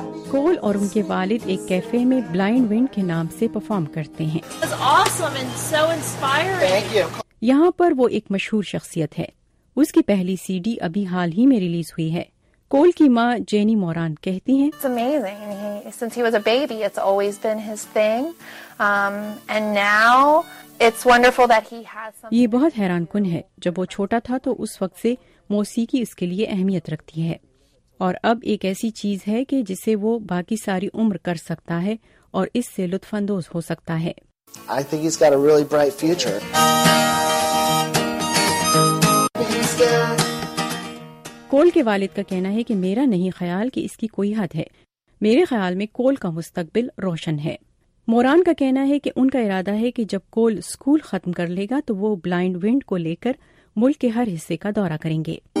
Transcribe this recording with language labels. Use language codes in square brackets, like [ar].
[ur] کول اور ان کے والد ایک کیفے میں بلائنڈ ونڈ کے نام سے پرفارم کرتے ہیں۔ یہاں پر وہ ایک مشہور شخصیت ہے۔ اس کی پہلی سی ڈی ابھی حال ہی میں ریلیز ہوئی ہے۔ کول کی ماں جینی موران کہتی ہیں، [en] It's amazing. Since he was a baby, it's always been his thing. And now it's wonderful that he has something. [ur] یہ بہت حیران کن ہے۔ جب وہ چھوٹا تھا تو اس وقت سے موسیقی اس کے لیے اہمیت رکھتی ہے، اور اب ایک ایسی چیز ہے کہ جسے وہ باقی ساری عمر کر سکتا ہے اور اس سے لطف اندوز ہو سکتا ہے۔ [en] I think he's got a really bright future. [ur] کول کے والد کا کہنا ہے کہ میرا نہیں خیال کہ اس کی کوئی حد ہے۔ میرے خیال میں کول کا مستقبل روشن ہے۔ موران کا کہنا ہے کہ ان کا ارادہ ہے کہ جب کول اسکول ختم کر لے گا تو وہ بلائنڈ ونڈ کو لے کر ملک کے ہر حصے کا دورہ کریں گے.